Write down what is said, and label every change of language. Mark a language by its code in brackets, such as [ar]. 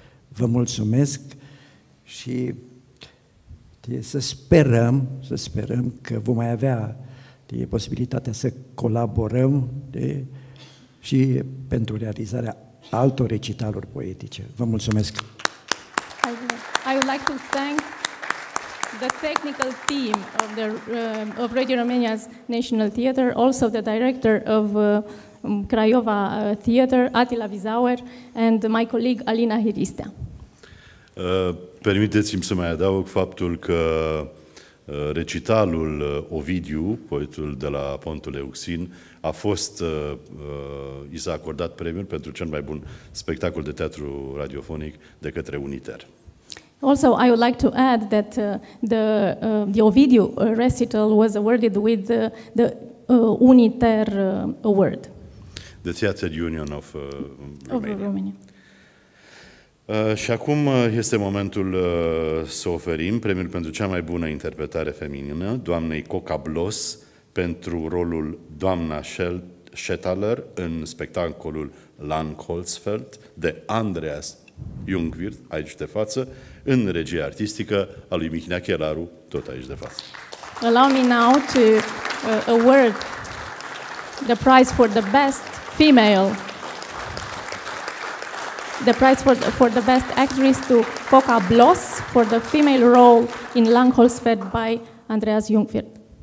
[ro] Vă mulțumesc și să sperăm că vom mai avea posibilitatea să colaborăm și pentru realizarea altor recitaluri poetice. Vă mulțumesc. [en] I would like to thank the technical team of the of Radio Romania's National Theater, also the director of Craiova Theater, Attila Wiesauer, and my colleague Alina Hiristea. [ro] Permiteți-mi să mai adaug faptul că recitalul Ovidiu, poetul de la Pontul Euxin, a fost, i s-a acordat premiul pentru cel mai bun spectacol de teatru radiofonic de către UNITER. [en] Also, I would like to add that the Ovidiu recital was awarded with the UNITER award. The Theater Union of Romania. [ro] Și acum este momentul să oferim premiul pentru cea mai bună interpretare feminină, doamnei Coca Blos, pentru rolul doamna Schettaler în spectacolul Langholzfeld de Andreas Jungwirth, aici de față, în regie artistică a lui Mihnea Chelaru, tot aici de față. [en] Allow me now to award the prize for the best female. The prize for the best actress to Coca Blos for the female role in Langholzfeld by Andreas Jungwirth.